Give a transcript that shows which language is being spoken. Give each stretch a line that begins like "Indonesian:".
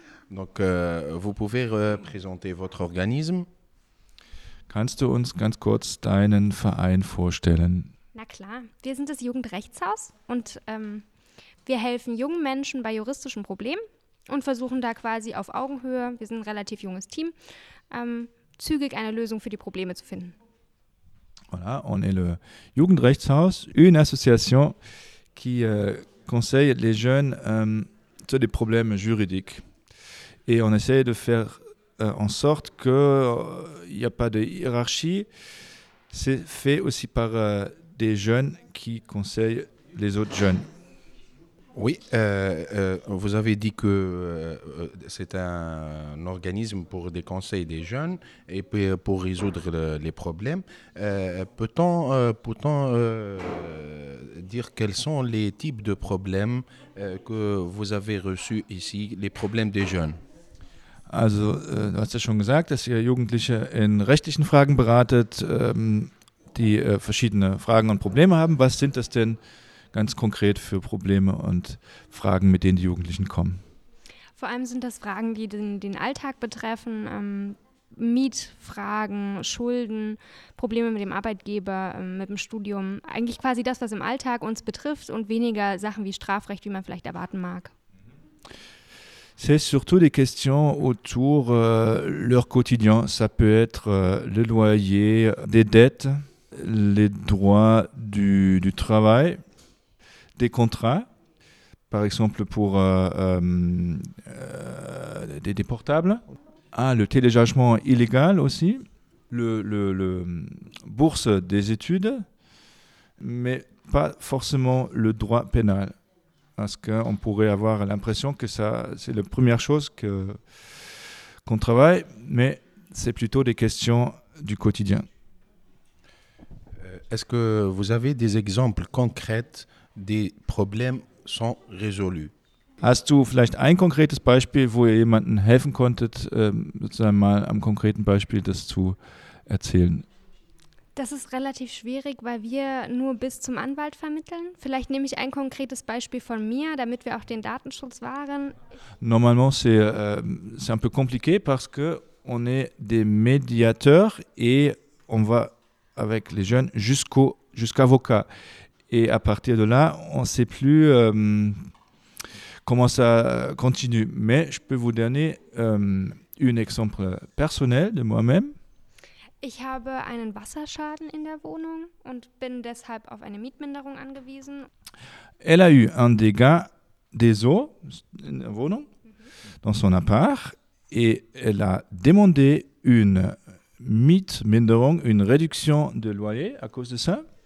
French: Donc, vous pouvez présenter votre organisme?
German: Kannst du uns ganz kurz deinen Verein vorstellen? Na klar, wir sind das Jugendrechtshaus und wir helfen jungen Menschen bei juristischen Problemen und versuchen da quasi auf Augenhöhe, wir sind ein relativ junges Team, zügig eine Lösung für die Probleme zu finden.
French: Voilà, on est le Jugendrechtshaus, une association qui conseille les jeunes sur des problèmes juridiques. Et on essaie de faire en sorte qu'il n'y a pas de hiérarchie. C'est fait aussi par des jeunes qui conseillent les autres jeunes. Oui, vous avez dit que c'est un organisme pour des conseils des jeunes et pour résoudre les problèmes. Peut-on dire quels sont les types de problèmes que vous avez reçus ici, les problèmes des jeunes?
German: Also, du hast ja schon gesagt, dass ihr Jugendliche in rechtlichen Fragen beratet, die verschiedene Fragen und Probleme haben. Was sind das denn ganz konkret für Probleme und Fragen, mit denen die Jugendlichen kommen? Vor allem sind das Fragen, die den Alltag betreffen, Mietfragen, Schulden, Probleme mit dem Arbeitgeber, mit dem Studium. Eigentlich quasi das, was im Alltag uns betrifft und weniger Sachen wie Strafrecht, wie man vielleicht erwarten mag.
French: C'est surtout des questions autour leur quotidien. Ça peut être le loyer, des dettes, les droits du travail, des contrats, par exemple pour des portables. Ah, le téléchargement illégal aussi, le bourse des études, mais pas forcément le droit pénal. Parce qu'on pourrait avoir l'impression que ça, c'est la première chose qu'on travaille, mais c'est plutôt des questions du quotidien. Est-ce que vous avez des exemples concrets des problèmes sont résolus?
German: Hast du vielleicht ein konkretes Beispiel, wo ihr jemandem helfen konntet, sozusagen mal am konkreten Beispiel das zu erzählen? Das ist relativ schwierig, weil wir nur bis zum Anwalt vermitteln. Vielleicht nehme ich ein konkretes Beispiel von mir, damit wir auch den Datenschutz wahren.
French: Normalement, c'est un peu compliqué parce que on est des médiateurs et on va avec les jeunes jusqu'à avocat. Et à partir de là, on ne sait plus comment ça continue. Mais je peux vous donner un exemple personnel de moi-même.
German: Ich habe einen Wasserschaden in der Wohnung und bin deshalb auf eine Mietminderung angewiesen.
French: Elle a eu un dégât des eaux dans la maison, dans son appart, et elle a demandé une Mietminderung, une réduction de loyer à cause de ça.